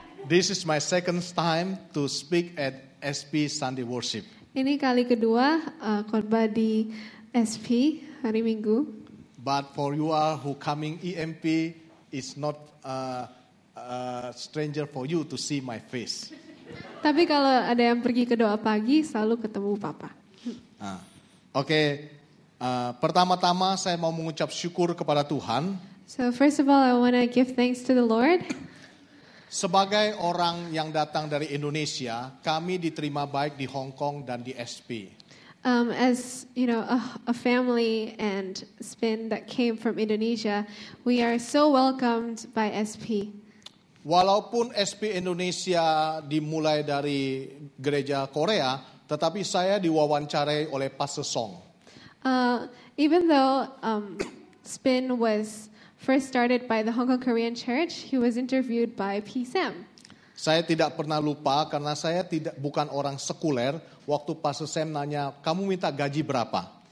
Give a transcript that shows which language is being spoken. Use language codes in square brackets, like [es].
[en] This is my second time to speak at SP Sunday Worship. [id] Ini kali kedua khotbah di SP hari Minggu. [en] But for you all who coming EMP, it's not a stranger for you to see my face. [id] Tapi kalau ada yang pergi ke doa pagi, selalu ketemu Papa. Okay. Pertama-tama saya mau mengucap syukur kepada Tuhan. [en] So first of all, I want to give thanks to the Lord. [id] Sebagai orang yang datang dari Indonesia, kami diterima baik di Hong Kong dan di SP. [en] As you know, a family and spin that came from Indonesia, we are so welcomed by SP. [id] Walaupun SP Indonesia dimulai dari gereja Korea, tetapi saya diwawancarai oleh Pastor Song. [en] Even though Spin was first started by the Hong Kong Korean Church, he was interviewed by PSAM. [id] Saya tidak pernah lupa karena saya tidak bukan orang sekuler. Waktu Pastor Sam nanya, kamu minta gaji berapa?